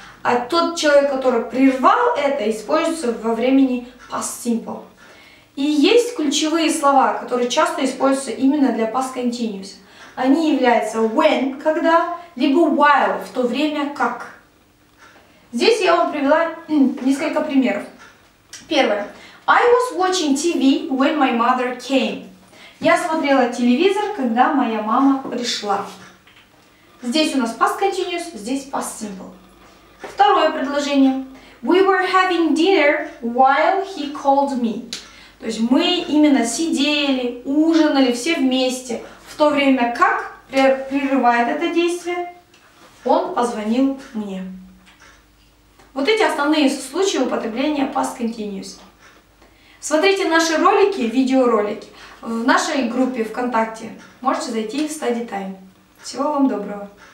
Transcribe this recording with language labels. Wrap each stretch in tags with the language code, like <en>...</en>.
<ru>А тот человек, который прервал это, используется во времени past simple. И есть ключевые слова, которые часто используются именно для past continuous. Они являются when, когда, либо while, в то время как. Здесь я вам привела несколько примеров. Первое.</ru> <en>I was watching TV when my mother came.</en> <ru>Я смотрела телевизор, когда моя мама пришла. Здесь у нас past continuous, здесь past simple. Второе предложение.</ru> <en>We were having dinner while he called me.</en> <ru>То есть мы именно сидели, ужинали все вместе, в то время как прерывает это действие, он позвонил мне. Вот эти основные случаи употребления past continuous. Смотрите наши ролики, видеоролики в нашей группе ВКонтакте. Можете зайти в Study Time. Всего вам доброго!</ru>